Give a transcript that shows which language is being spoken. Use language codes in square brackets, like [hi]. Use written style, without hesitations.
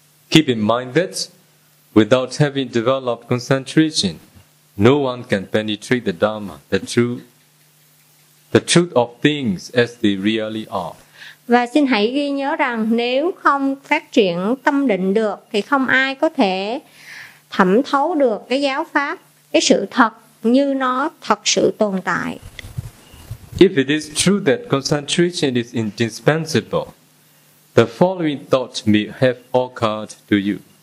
[en] Keep in mind that without having developed concentration, no one can penetrate the Dharma, the truth of things as they really are. [vi] Và xin hãy ghi nhớ rằng nếu không phát triển tâm định được thì không ai có thể thẩm thấu được cái giáo pháp, cái sự thật như nó thật sự tồn tại. [en] If it is true that concentration is indispensable, the following thought may have occurred to you.